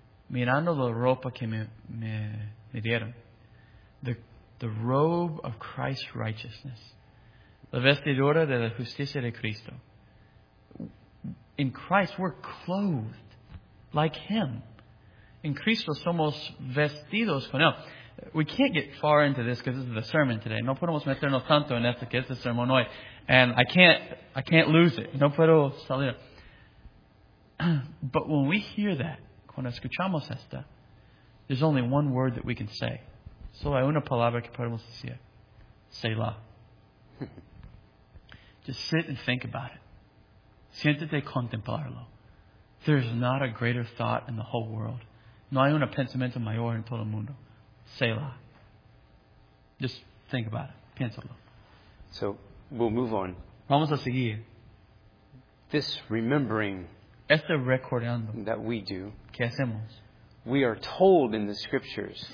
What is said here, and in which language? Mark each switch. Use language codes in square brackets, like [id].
[es] Mirando la ropa que me dieron. [en] The robe of Christ's righteousness. [es] La vestidura de la justicia de Cristo. [en] In Christ, we're clothed like Him. [es] In Cristo, somos vestidos con Él. [en] We can't get far into this because this is the sermon today. [es] No podemos meternos tanto en esto que es el sermón hoy. [en] And I can't lose it. [es] No puedo salir. [en] But when we hear that, [es] cuando escuchamos esta, [en] there's only one word that we can say. [es] Solo hay una palabra que podemos decir. Selah. [en] Just sit and think about it. [es] Siéntate contemplarlo. [en] There's not a greater thought in the whole world. [es] No hay un pensamiento mayor en todo el mundo. [en] Selah. Just think about it. [es] Piénsalo. [en] So, we'll move on. [es] Vamos a seguir. [en] This remembering [es] este recordando [en] that we do, [es] que hacemos, [en] we are told in the Scriptures,